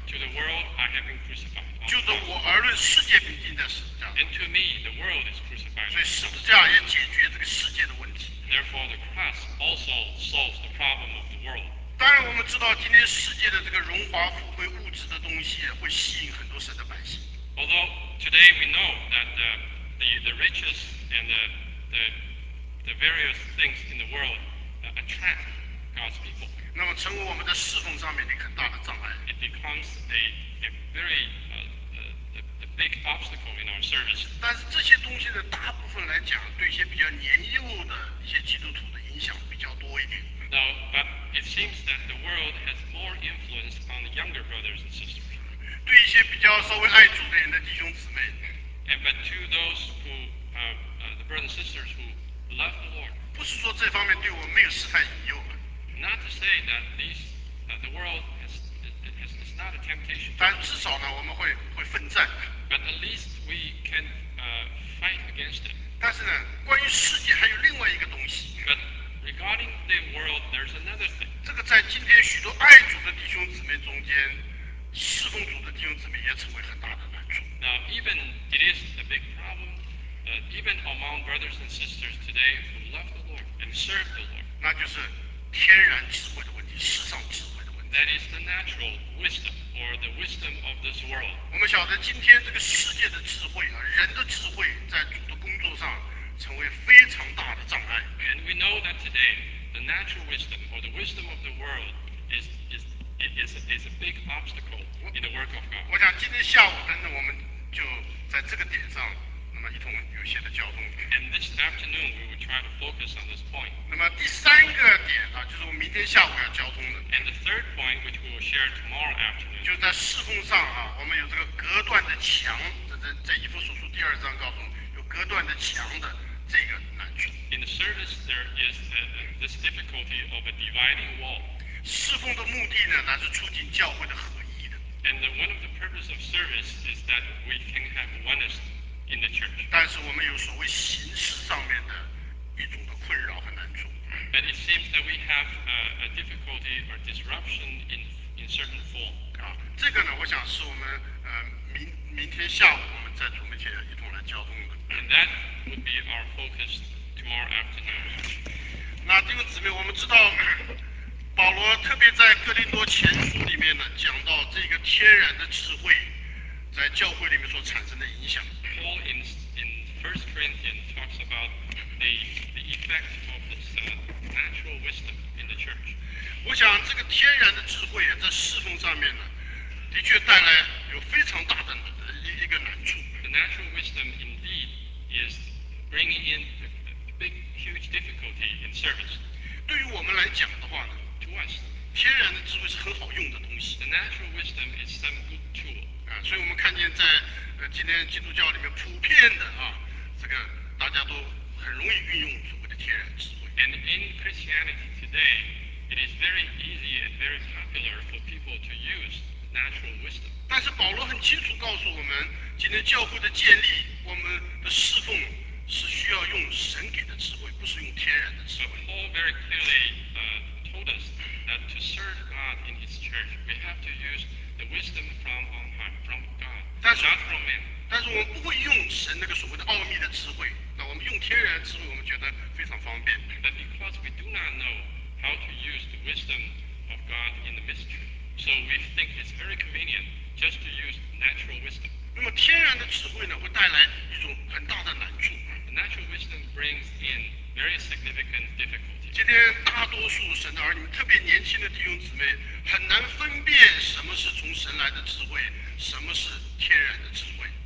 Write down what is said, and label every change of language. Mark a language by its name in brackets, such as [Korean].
[English] To the world, I have been crucified. [Chinese] 就着我而论，世界被钉在十字架上。 [English] And to me, the world is crucified. [Chinese] 所以十字架也解决这个世界的问题。 [English] Therefore, the cross also solves the problem of the world. [Chinese] 当然，我们知道今天世界的这个荣华富贵、物质的东西会吸引很多神的百姓。 [English] Although today we know that the riches and the various things in the world attract God's people. [Chinese] 那么成为我们的侍奉上面的很大的障碍。 [English] It becomes a very a big obstacle in our service. [Chinese] 但是这些东西的大部分来讲，对一些比较年幼的一些基督徒的影响比较多一点。 [English] Now, but it seems that the world has more influence on the younger brothers and sisters. [Chinese] 对一些比较稍微爱主的人的弟兄姊妹。 [English] And but to those who the brothers and sisters who love the Lord. [Chinese] 不是说这方面对我没有试探引诱。 [English] Not to say that these the world is not a temptation. [Chinese] 但至少呢，我们会奋战。 [English] But at least we can fight against it. [Chinese] 但是呢，关于世界还有另外一个东西。 [English] But regarding the world, there's another thing. [Chinese] 这个在今天许多爱主的弟兄姊妹中间，侍奉主的弟兄姊妹也成为很大的难处。 [English] Now even it is a big problem. Even among brothers and sisters today who love the Lord and serve the Lord. [Chinese] 那就是天然智慧的问题，世上智慧的问题。 [English] That is the natural wisdom or the wisdom of this world. [Chinese] 我们晓得今天这个世界的智慧啊，人的智慧在主的工作上成为非常大的障碍。 [English] And we know that today the natural wisdom or the wisdom of the world is a big obstacle in the work of God. [Chinese] 我想今天下午等等我们就在这个点上。 [English] And this afternoon, we will try to focus on this point. [Chinese] 那么第三个点呢，就是我明天下午要交通的。 [English] And the third point, which we will share tomorrow afternoon. [Chinese] 就在侍奉上啊，我们有这个隔断的墙，在以弗所书第二章告诉我们有隔断的墙的这个难处。 [English] In the service, there is this difficulty of a dividing wall. [Chinese] 侍奉的目的呢，乃是促进教会的合一的。 [English] And one of the purposes of service is that we can have oneness. In the church. [Chinese] 但是我们有所谓形式上面的一种的困扰和难处。 [English] But it seems that we have a difficulty or disruption in certain form. [Chinese] 啊，这个呢，我想是我们明天下午我们在主面前一同来交通的。 [English] And that would be our focus tomorrow afternoon. [Chinese] 那弟兄姊妹，我们知道保罗特别在哥林多前书里面呢讲到这个天然的智慧在教会里面所产生的影响。 [English] Paul in 1 Corinthians talks about the effect of this natural wisdom in the church. [Chinese] 我想这个天然的智慧在侍奉上面呢，的确带来有非常大的一个难处。 [English] The natural wisdom indeed is bringing in a big, huge difficulty in service. [Chinese] 对于我们来讲的话呢 [English] ，to us， [Chinese] 天然的智慧是很好用的东西。 [English] The natural wisdom is some good tool. [Chinese] 啊，所以我们看见在今天基督教里面普遍的啊，这个大家都很容易运用所谓的天然智慧。 [English] And in Christianity today, it is very easy and very popular for people to use natural wisdom. [Chinese] 但是保罗很清楚告诉我们，今天教会的建立，我们的侍奉是需要用神给的智慧，不是用天然的智慧。 [English] But Paul very clearly told us that to serve God in His church, we have to use the wisdom from on high, from God. [Chinese] 但是我们不会用神那个所谓的奥秘的智慧，那我们用天然智慧，我们觉得非常方便。 [English] But because we do not know how to use the wisdom of God in the mystery, so we think it's very convenient just to use natural wisdom. [Chinese] 那么天然的智慧呢，会带来一种很大的难处。 [English] The natural wisdom brings in very significant difficulty. [Chinese] 今天大多数神的儿女，特别年轻的弟兄姊妹，很难分辨什么是从神来的智慧，什么是天然的智慧。